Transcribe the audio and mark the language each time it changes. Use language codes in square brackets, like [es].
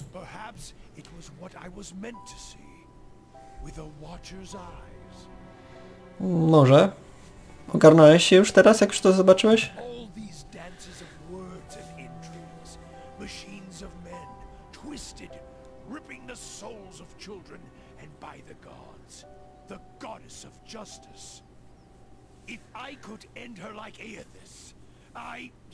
[en] Perhaps it was what I was meant to see with a watcher's eyes. [pl] Może. Ogarnąłeś się już teraz, jak już to zobaczyłeś? [en] All these dances of words and intrigues, machines of men, twisted, ripping the souls of children, and by the gods, the goddess of justice. If I could end her like Aethys, I...